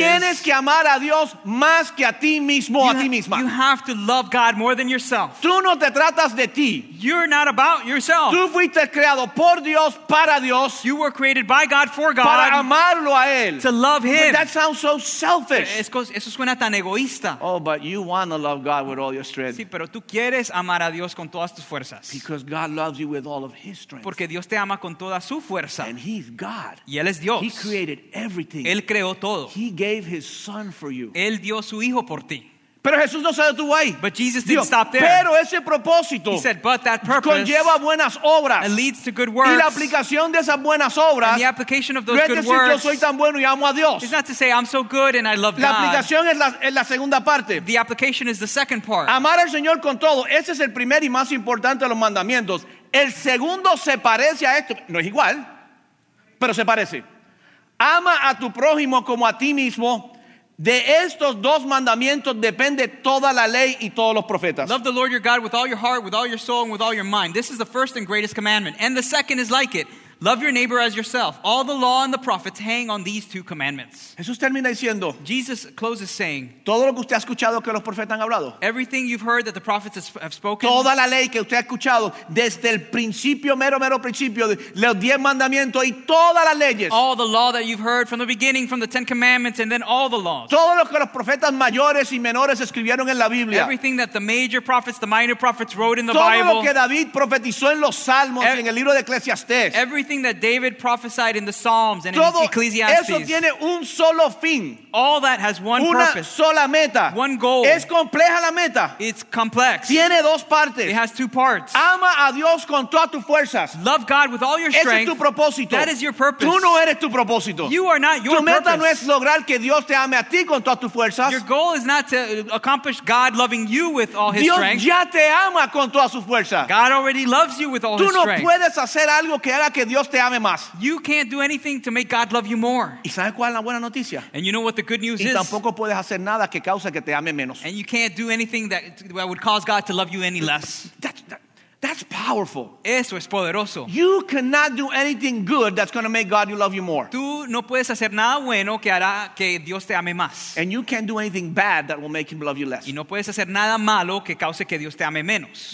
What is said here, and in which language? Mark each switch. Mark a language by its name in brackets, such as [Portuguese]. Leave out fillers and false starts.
[Spanish] Tienes que amar a Dios más que a ti mismo, a ti misma. [English] You have to love God more than yourself. [Spanish] Tú no te tratas de ti. [English] You're not about yourself. [Spanish] Tú fuiste creado por Dios, para Dios. [English] You were created by God for God. [Spanish] Para amarlo a Él. [English] To love Him. But that sounds so selfish. [Spanish] Eso suena tan egoísta. [English] Oh, but you want to love God with all your strength. [Spanish] Sí, pero tú quieres amar a Dios con todas tus fuerzas. [English] Because God loves you with all of His strength. [Spanish] Porque Dios te ama con toda su fuerza. [English] And He's God. [Spanish] Y Él es Dios. [English] He created everything. [Spanish] Él creó todo. [English] He gave His Son for you. [Spanish] Él dio su Hijo por ti. Pero Jesús no se detuvo ahí. [English] But Jesus didn't stop there. [Spanish] Pero ese propósito, [English] he said, but that purpose [Spanish] conlleva buenas obras. [English] And leads to good works. [Spanish] Y la aplicación de esas buenas obras, [English] and the application of those good works, [Spanish] yo soy tan bueno y amo a Dios. [English] It's not to say I'm so good and I love [Spanish] la [English] God. [Spanish] Aplicación es la segunda parte. [English] The application is the second part. [Spanish] Amar al Señor con todo, ese es el primer y más importante de los mandamientos. El segundo se parece a esto, no es igual, pero se parece. Ama a tu prójimo como a ti mismo. De estos dos mandamientos depende toda la ley y todos los profetas. [English] Love the Lord your God with all your heart, with all your soul, and with all your mind. This is the first and greatest commandment. And the second is like it. Love your neighbor as yourself. All the law and the prophets hang on these two commandments. [Spanish] Jesús termina diciendo, [English] Jesus closes saying, [Spanish] todo lo que usted ha escuchado que los profetas han hablado, [English] everything you've heard that the prophets have spoken, [Spanish] toda la ley que usted ha escuchado desde el principio, mero principio, los diez mandamientos y todas las leyes, [English] all the law that you've heard from the beginning, from the Ten Commandments, and then all the laws, [Spanish] todo lo que los profetas mayores y menores escribieron en la Biblia, [English] everything that the major prophets, the minor prophets wrote in the [Spanish] todo [English] Bible, [Spanish] todo lo que David profetizó en los Salmos y en el libro de Eclesiastés, [English] everything that David prophesied in the Psalms and [Spanish] todo [English] in Ecclesiastes. [Spanish] Eso tiene un solo fin. [English] All that has one [Spanish] una [English] purpose. [Spanish] Sola meta. [English] One goal. [Spanish] Es compleja la meta. [English] It's complex. [Spanish] Tiene dos partes. [English] It has two parts. [Spanish] Ama a Dios con todas tus fuerzas. [English] Love God with all your strength. [Spanish] Ese es tu propósito. [English] That is your purpose. [Spanish] Tú no eres tu propósito. [English] You are not your [Spanish] tu meta [English] purpose. [Spanish] No es lograr que Dios te ame a ti con todas tus fuerzas. [English] Your goal is not to accomplish God loving you with all his [Spanish] Dios [English] strength. [Spanish] Ya te ama con toda su fuerza. [English] God already loves you with all [Spanish] tú no [English] strength. [Spanish] Puedes hacer algo que haga que Dios te ame más. [English] You can't do anything to make God love you more. [Spanish] ¿Y sabes cuál es la buena noticia? [English] And you know what the good news is? [Spanish] Y tampoco puedes hacer nada que cause que te ame menos. [English] And you can't do anything that would cause God to love you any less. That's powerful. [Spanish] Eso es poderoso. [English] You cannot do anything good that's going to make God love you more. [Spanish] Tú no puedes hacer nada bueno que hará que Dios te ame más. [English] And you can't do anything bad that will make him love you less. [Spanish] Y no puedes hacer nada malo que cause que Dios te ame menos.